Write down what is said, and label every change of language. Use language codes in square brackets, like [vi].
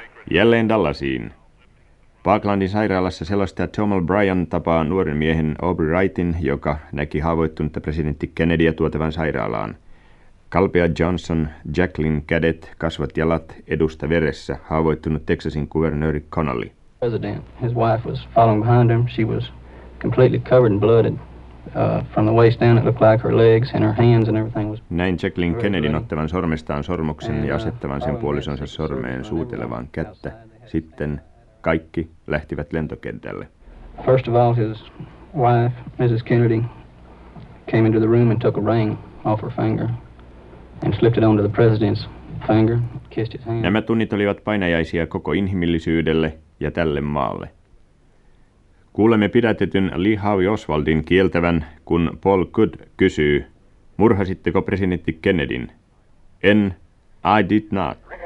[fi] Jälleen Dallasiin. Parklandin sairaalassa selostaja Tom O'Brien tapaa nuoren miehen Aubrey Wrightin, joka näki haavoittunutta presidentti Kennedyä tuotavan sairaalaan. Kalpea Johnson, Jacqueline kädet, kasvat jalat, edusta veressä, haavoittunut Texasin kuvernööri Connolly. [en] President, his wife was following behind him. She was completely covered in blood and from the waist down it looked like her legs and her hands and everything was. [fi] Näin Jacqueline Kennedyn ottavan sormestaan sormuksen ja asettavan sen puolisonsa sormeen suutelevan kättä. Sitten kaikki lähtivät lentokentälle. [en] First of all, his wife, Mrs. Kennedy, came into the room and took a ring off her finger and slipped it onto the president's finger, kissed his hand. [fi] Nämä tunnit olivat painajaisia koko inhimillisyydelle ja tälle maalle. Kuulemme pidätetyn Lee Harvey Oswaldin kieltävän, kun Paul Good kysyy, murhasitteko presidentti Kennedyn? [en] En, I did not.